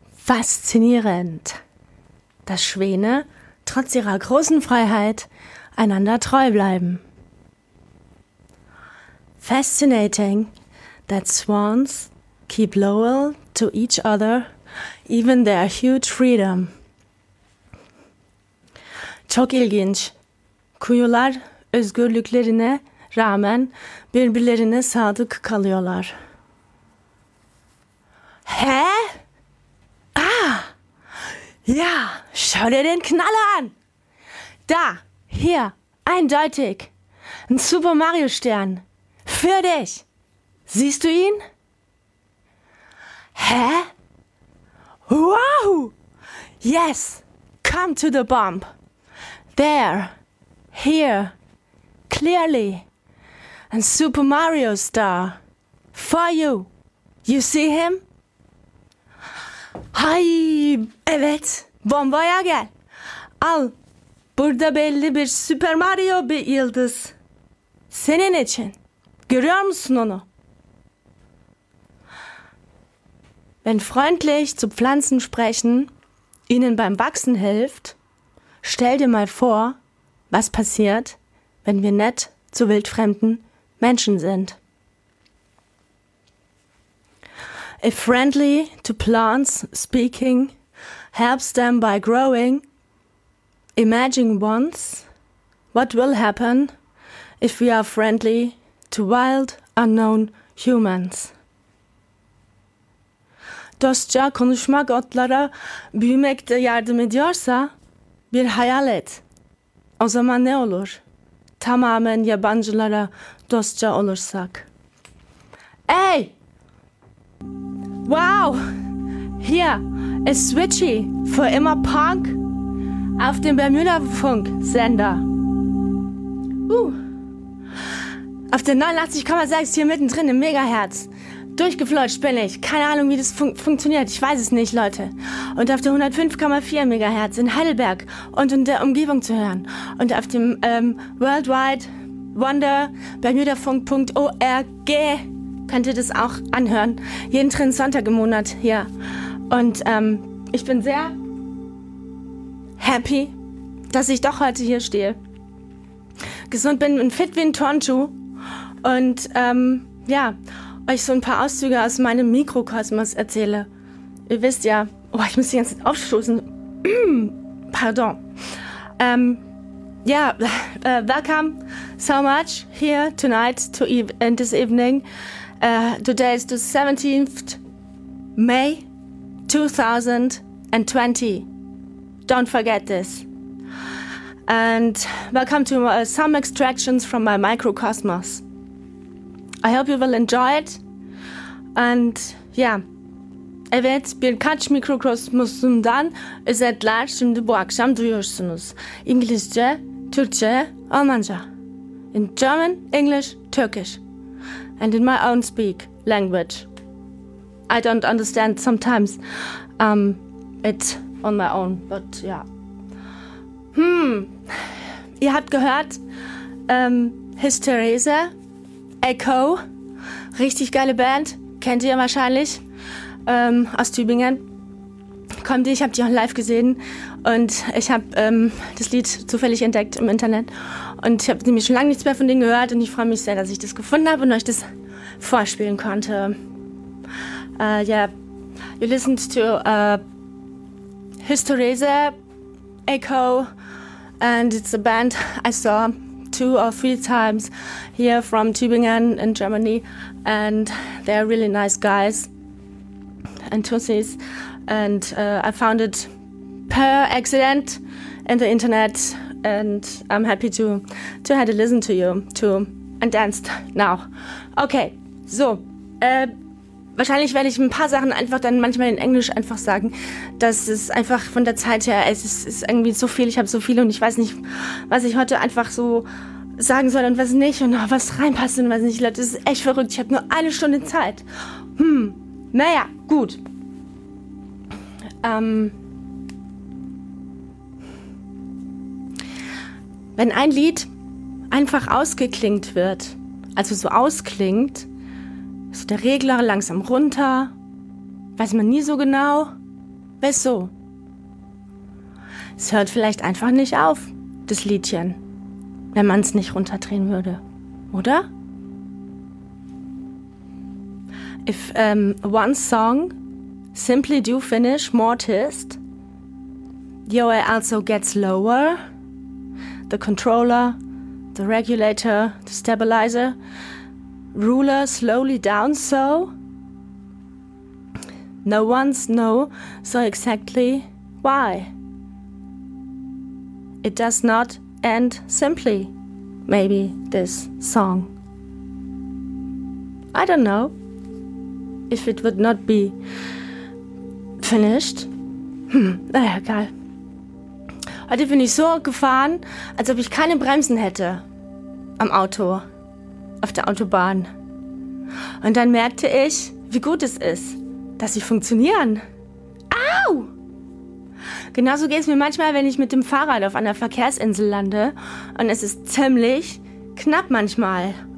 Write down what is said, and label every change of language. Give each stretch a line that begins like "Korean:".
German: faszinierend, dass Schwäne trotz ihrer großen Freiheit einander treu bleiben.
English: Fascinating that swans keep loyal to each other, even their huge freedom.
Turkish: Çok ilginç. Kuyular özgürlüklerine rağmen birbirlerine sadık kalıyorlar. Hä? Ah!
German: Ja, schau dir den Knaller an! Da, hier, eindeutig. Ein Super Mario Stern. Für dich. Siehst du ihn? Hä? Wow!
English: Yes, come to the bump. There, here, clearly. And Super Mario Star, for you. You see him?
Turkish: Hay, evet, bombaya gel. Al, burada belli bir Super Mario bir yıldız. Senin için. Görüyor musun onu?
German: Wenn freundlich zu Pflanzen sprechen, ihnen beim Wachsen hilft, stell dir mal vor, was passiert, wenn wir nett zu wildfremden Menschen sind.
English: If friendly to plants speaking helps them by growing, imagine once what will happen if we are friendly to wild unknown humans.
Turkish: Dostça konuşmak otlara büyümekte yardım ediyorsa bir hayal et. O zaman ne olur? Tamamen yabancılara dostça olursak. Hey! Wow!
German: Hier, ist Switchy, für immer Punk, auf dem Bermuda-Funk-Sender. Auf der 89,6 hier mittendrin im Megahertz. Durchgeflutscht bin ich. Keine Ahnung, wie das funktioniert. Ich weiß es nicht, Leute. Und auf der 105,4 Megahertz in Heidelberg und in der Umgebung zu hören. Und auf dem Worldwide Wonder Bermudafunk.org könnt ihr das auch anhören. Jeden dritten Sonntag im Monat hier. Und ich bin sehr happy, dass ich doch heute hier stehe. Gesund bin und fit wie ein Turnschuh. Und ja, euch so ein paar Auszüge aus meinem Mikrokosmos erzähle. Ihr wisst ja, oh, ich muss die ganze Zeit aufstoßen. Pardon.
English: Welcome so much here tonight to and this evening. Today is the 17th May 2020. Don't forget this. And welcome to some extractions from my microcosmos. I hope you will enjoy it. And yeah,
Turkish: evet, bir kaç mikrokosmosumdan özetler şimdi bu akşam duyuyorsunuz. İngilizce, Türkçe, Almanca.
English: In German, English, Turkish. And in my own speak language. I don't understand sometimes it on my own, but yeah.
German: Ihr habt gehört, Hysterese, Echo, richtig geile Band. Kennt ihr wahrscheinlich aus Tübingen. Kommt ihr, ich habe die auch live gesehen und ich habe das Lied zufällig entdeckt im Internet und ich habe nämlich schon lange nichts mehr von denen gehört und ich freue mich sehr, dass ich das gefunden habe und euch das vorspielen konnte.
English: You listened to Hysterese, Echo and it's a band I saw two or three times here from Tübingen in Germany. And they're really nice guys and tussies. And I found it per accident in the internet. And I'm happy to have a listen to you too and danced now. Okay, so.
German: Wahrscheinlich werde ich ein paar Sachen einfach dann manchmal in Englisch einfach sagen. Das ist einfach von der Zeit her, es ist irgendwie so viel. Ich habe so viele und ich weiß nicht, was ich heute einfach so sagen soll und was nicht und was reinpasst und was nicht. Leute, das ist echt verrückt. Ich habe nur eine Stunde Zeit. Naja, gut. Wenn ein Lied einfach ausgeklingt wird, also so ausklingt, so der Regler langsam runter, weiß man nie so genau, Wieso? Es hört vielleicht einfach nicht auf, das Liedchen, wenn man es nicht runterdrehen würde, oder?
English: If one song simply do finish mortised, your air also gets lower, the controller, the regulator, the stabilizer, ruler slowly down so, no one's know so exactly why. It does not end simply, maybe this song. I don't know if it would not be finished.
German: Naja, egal. Heute bin ich so gefahren, als ob ich keine Bremsen hätte am Auto, auf der Autobahn. Und dann merkte ich, wie gut es ist, dass sie funktionieren. Au! Genauso geht es mir manchmal, wenn ich mit dem Fahrrad auf einer Verkehrsinsel lande und es ist ziemlich knapp manchmal.